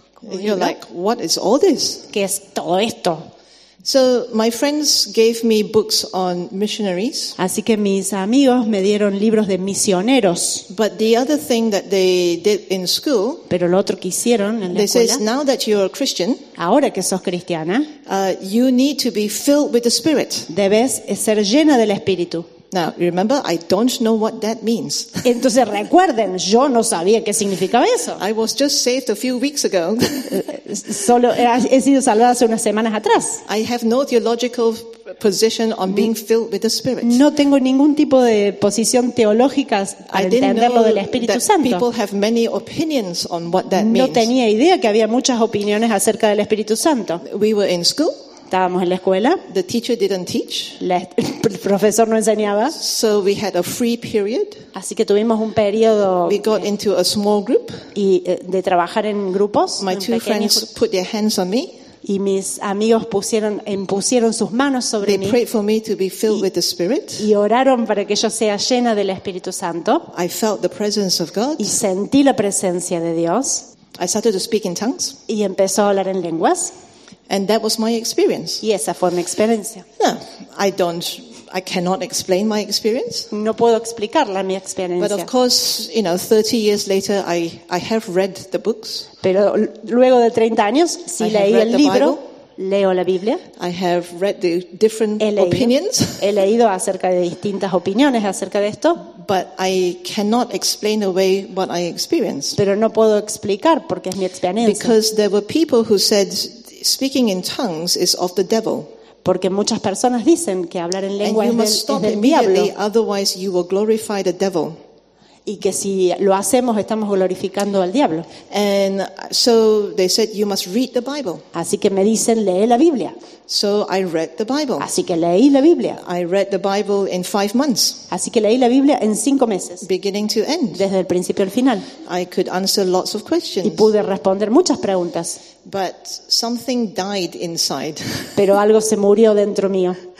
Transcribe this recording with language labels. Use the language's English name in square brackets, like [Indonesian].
[English] and you're like, what is all this? [Spanish] ¿Qué es todo esto? [English] So my friends gave me books on missionaries. [Spanish] Así que mis amigos me dieron libros de misioneros. [English] But the other thing that they did in school, [Spanish] pero lo otro que hicieron en la escuela, [English] they says, now that you're a Christian, [Spanish] ahora que sos cristiana, [English] you need to be filled with the Spirit. [Spanish] Debes ser llena del Espíritu. [English] Now, remember, I don't know what that means. [Spanish] Entonces recuerden, yo no sabía qué significaba eso. [English] I was just saved a few weeks ago. [Spanish] Solo he sido salvada hace unas semanas atrás. [English] I have no theological position on being filled with the Spirit. [Spanish] No tengo ningún tipo de posición teológica al entenderlo del Espíritu [English] that [Spanish] Santo. [English] People have many opinions on what that means. [Spanish] No tenía idea que había muchas opiniones acerca del Espíritu Santo. [English] We were in school. [Spanish] Estábamos en la escuela. [English] The teacher didn't teach. [Spanish] El profesor no enseñaba. [English] So we had a free period. [Spanish] Así que tuvimos un periodo. [English] We got into a small group. [Spanish] Y de trabajar en grupos. [English] My two friends put their hands on me. [Spanish] Y mis amigos impusieron sus manos sobre mí. [English] They prayed for me to be filled with the Spirit. [Spanish] Y oraron para que yo sea llena del Espíritu Santo. [English] I felt the presence of God. [Spanish] Y sentí la presencia de Dios. [English] I started to speak in tongues. [Spanish] Y empezó a hablar en lenguas. [English] And that was my experience. [Spanish] Y esa fue mi experiencia. [English] No, I don't. I cannot explain my experience. [Spanish] No puedo explicarla mi experiencia. [English] But of course, you know, 30 years later, I have read the books. [Spanish] Pero luego de 30 años, sí leí el libro. Leo la Biblia. [English] I have read the different opinions. [Spanish] He leído acerca de distintas opiniones acerca de esto. [English] But I cannot explain away what I experienced. [Spanish] Pero no puedo explicar porque es mi experiencia. [English] Because there were people who said speaking in tongues is of the devil. [Spanish] Porque muchas personas dicen que hablar en lengua es del diablo. [English] Otherwise you will glorify the devil. [Spanish] Y que si lo hacemos estamos glorificando al diablo. [English] And so they said you must read the Bible. [Spanish] Así que me dicen lee la Biblia. [English] So I read the Bible. [Spanish] Así que leí la Biblia. [English] I read the Bible in 5 months. [Spanish] Así que leí la Biblia en 5 meses. [English] Beginning to end. [Spanish] Desde el principio al final. [English] I could answer lots of questions. [Spanish] Y pude responder muchas preguntas. [English] But something died inside. [Spanish] Pero algo se murió dentro mío.